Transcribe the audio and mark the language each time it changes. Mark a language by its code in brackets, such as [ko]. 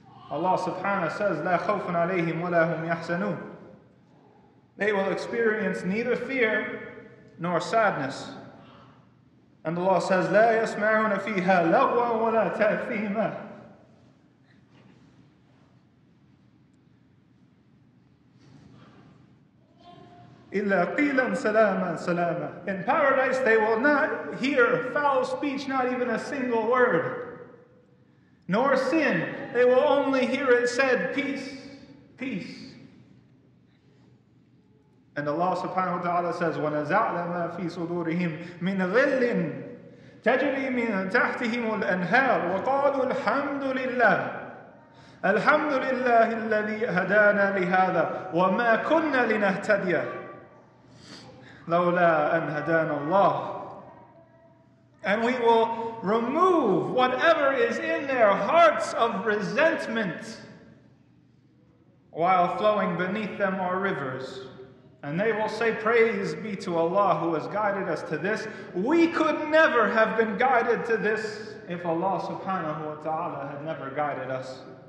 [en] Allah subhanahu says, [ar] لا خوف عليهم ولا هم يحزنون. [en] They will experience neither fear nor sadness. And Allah says, [ar] لا يسمعون فيها لغوا ولا تأثيما. إِلَّا قِيلًا سَلَامًا سَلَامًا. [en] In paradise, they will not hear foul speech, not even a single word, nor sin. They will only hear it said, peace, peace. And Allah subhanahu wa ta'ala says, [ar] وَنَزَعْنَا مَا فِي صُدُورِهِمْ مِنْ غِلٍّ تَجْرِي مِنْ تَحْتِهِمُ الْأَنْهَارُ وَقَالُوا الْحَمْدُ لِلَّهِ الْحَمْدُ لِلَّهِ الَّذِي هَدَانَا لِهَذَا وَمَا كُنَّا لِنَهْتَدِيَ لولا أن هدانا الله. [en] And we will remove whatever is in their hearts of resentment while flowing beneath them are rivers. And they will say, praise be to Allah who has guided us to this. We could never have been guided to this if Allah subhanahu wa ta'ala had never guided us.